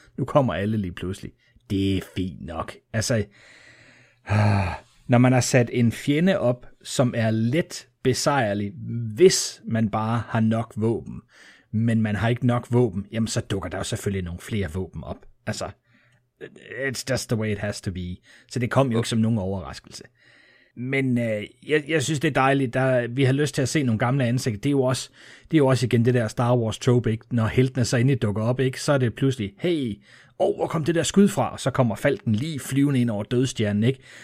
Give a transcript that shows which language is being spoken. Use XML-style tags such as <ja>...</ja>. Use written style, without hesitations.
<da>Nu kommer alle lige pludselig. Det er fint nok. Altså, når man har sat en fjende op, som er let besejrlig, hvis man bare har nok våben, men man har ikke nok våben, jamen så dukker der jo selvfølgelig nogle flere våben op. Altså,</da> <en>it's just the way it has to be.</en> <da>Så det kom jo ikke som nogen overraskelse. Men jeg synes, det er dejligt. Der, vi har lyst til at se nogle gamle ansigter. Det er jo også, det er jo også igen det der Star Wars trope, ikke? Når heltene så endelig dukker op, ikke? Så er det pludselig, hey, oh, hvor kom det der skud fra? Og så kommer Falken lige flyvende ind over dødstjernen, ikke?</da>